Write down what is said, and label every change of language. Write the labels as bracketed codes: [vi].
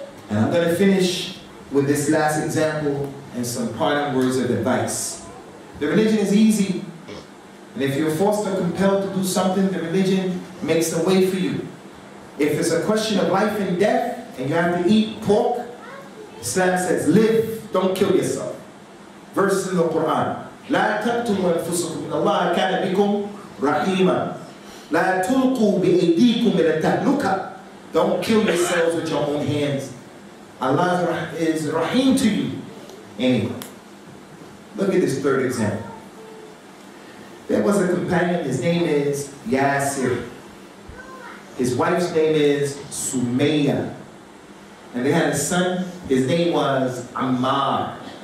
[en] And I'm going to finish with this last example and some parting words of advice. The religion is easy. And if you're forced or compelled to do something, the religion makes a way for you. If it's a question of life and death, and you have to eat pork, Islam says, live, don't kill yourself. Verses in the Quran. [ar] لَا تَقْتُلُوا أَنفُسَكُمْ إِنَّ اللَّهَ كَانَ بِكُمْ رَحِيمًا لَا تُلْقُوا بِأَيْدِيكُمْ إِلَى التَّهْلُكَةِ [en] Don't kill yourselves with your own hands. Allah is Rahim to you. Anyway, look at this third example. There was a companion, his name is Yasir. His wife's name is Sumayya. And they had a son, his name was Ammar.